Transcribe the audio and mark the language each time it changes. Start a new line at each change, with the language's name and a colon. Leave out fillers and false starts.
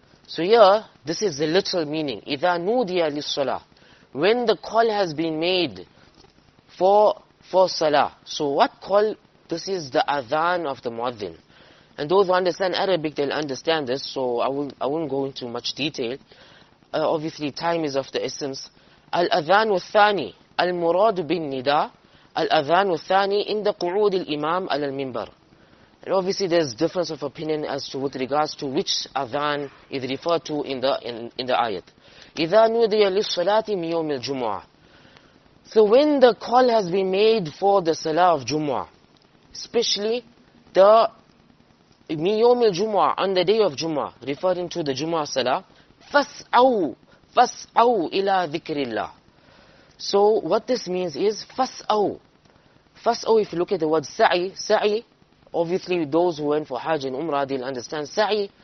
English: So here, this is the literal meaning.
Arabic: إِذَا نُودِيَ لِلصَّلَاةِ,
English: when the call has been made for salah. So what call? This is the adhan of the muadhin. And those who understand Arabic, they'll understand this. So I won't go into much detail. Obviously, time is of the essence.
Arabic: الْأَذَانُ الثَّانِي الْمُرَادُ بِالنِّدَى الأذان الثاني عند قعود الإمام على المنبر.
English: And obviously there's difference of opinion as to with regards to which adhan is referred to in the ayat.
Arabic: إذا نودي للصلاة من يوم الجمعة.
English: So when the call has been made for the Salah of Jumu'ah, especially the
Arabic: من يوم الجمعة,
English: on the day of Jumu'ah, referring to the Jumu'ah Salah,
Arabic: فَسْعَوْ إلى ذكر الله.
English: So what this means is
Arabic: فَسْأَوْ. فَسْأَوْ,
English: if you look at the word سَعِي, سَعِي, obviously those who went for Hajj and Umrah, they'll understand سَعِي.